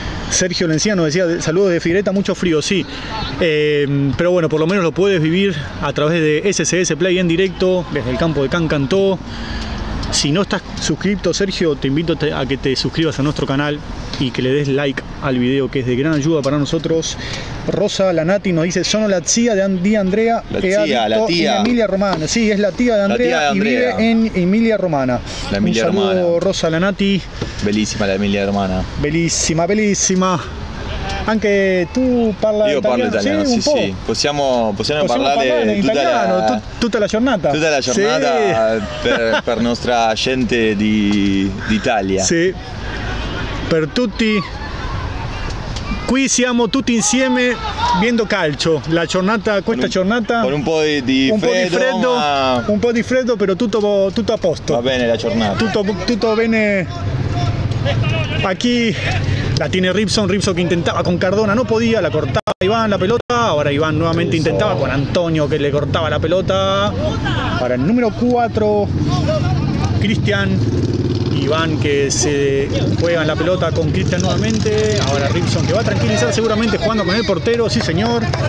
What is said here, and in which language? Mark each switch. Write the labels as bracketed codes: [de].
[es] Sergio Lencía nos decía, saludos de Figuereta, mucho frío, sí. Pero bueno, por lo menos lo puedes vivir a través de SCS Play en directo, desde el campo de Cancantó. Si no estás suscrito, Sergio, te invito a que te suscribas a nuestro canal y que le des like al video, que es de gran ayuda para nosotros. Rosa Lanati nos dice, [it] sono [es] la tía de Andrea. La tía. Y Emilia Romana. Sí, es la tía de Andrea, la tía de Andrea y vive en Emilia Romana. La Emilia Romana. Un saludo, Romana. Rosa Lanati. Bellísima la Emilia Romana. Bellísima. Aunque tú parlas [it] italiano. [es] Yo [it] parlo italiano, sí. Possiamo parlare italiano. Tutta la giornata. Tutta la giornata sí. per nostra gente d'Italia. Sì. Per tutti. Qui siamo tutti insieme [es] viendo [it] calcio. La giornata, questa giornata. Con un po' di freddo. Un po' di freddo, però tutto a posto. Va bene la giornata. Tutto bene. [es] Aquí. La tiene Ribson que intentaba con Cardona, no podía, la cortaba Iván la pelota, ahora Iván nuevamente intentaba con Antonio que le cortaba la pelota. Ahora el número 4, Cristian, Iván que se juega la pelota con Cristian nuevamente, ahora Ribson que va a tranquilizar seguramente jugando con el portero, sí señor.